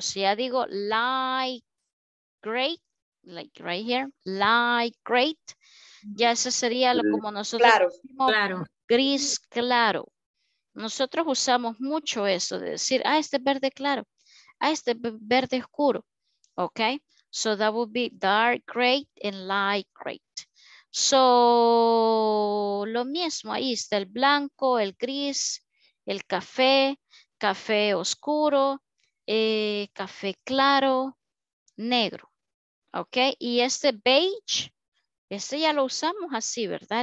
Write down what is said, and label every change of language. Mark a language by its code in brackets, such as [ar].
[es] Si ya digo [en] light gray, like right here, light gray, [es] ya ese sería lo como nosotros claro, decimos, claro. Gris claro. Nosotros usamos mucho eso de decir, ah, este verde claro, ah, este verde oscuro. [en] Okay, so that would be dark gray and light gray. [es] So, lo mismo, ahí está el blanco, el gris, el café, café oscuro, café claro, negro. Okay, y este beige, este ya lo usamos así, ¿verdad?